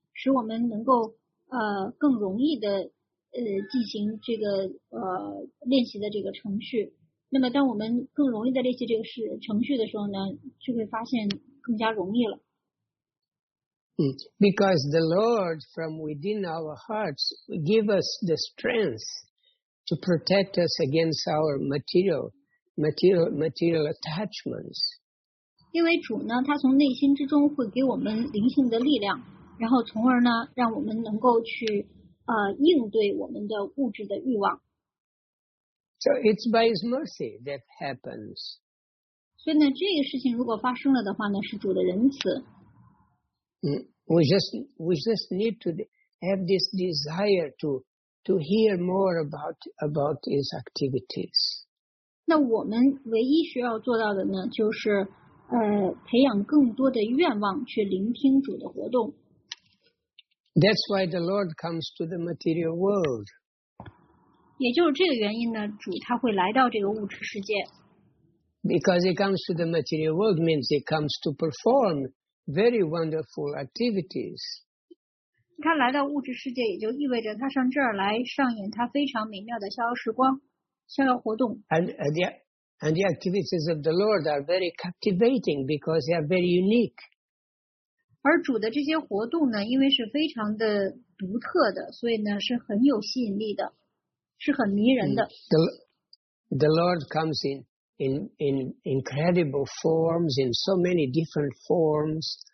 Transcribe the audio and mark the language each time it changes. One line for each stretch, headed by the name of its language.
Chinese: 使我们能够更容易的进行这个练习的这个程序。那么当我们更容易的练习这个程序的时候呢，就会发现更加容易了。
English: Because the Lord from within our hearts give us the strength to protect us against our material attachments.
Chinese: 因为主呢，他从内心之中会给我们灵性的力量。然后从而呢，让我们能够去应对我们的物质的欲望。
English: So it's by His mercy that happens.
Chinese: 所以呢，这个事情如果发生了的话呢，是主的仁慈。
English: We just need to have this desire to hear more about His activities.
Chinese: 那我们唯一需要做到的呢，就是培养更多的愿望去聆听主的活动。
English: That's why the Lord comes to the material world.
Chinese: 也就是这个原因呢，主他会来到这个物质世界。
English: Because he comes to the material world means he comes to perform very wonderful activities.
Chinese: 他来到物质世界，也就意味着他上这儿来上演他非常美妙的逍遥时光、逍遥活动。
English: And the activities of the Lord are very captivating because they are very unique.
Chinese: 而主的这些活动呢，因为是非常的独特的，所以呢是很有吸引力的，是很迷人的。
English: The Lord comes in incredible forms, in so many different forms.